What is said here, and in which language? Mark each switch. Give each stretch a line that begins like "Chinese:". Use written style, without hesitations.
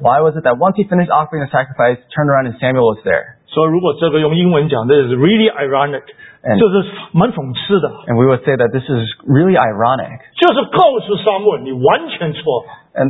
English: Why was it that once he finished offering the sacrifice, turned around and Samuel was there?
Chinese: 所以如果这个用英文讲，这
English: is really ironic.
Chinese: 就是蛮讽刺的。
English: And we would say that this is really ironic.
Chinese: 就是告诉撒母耳，你完全错。
English: And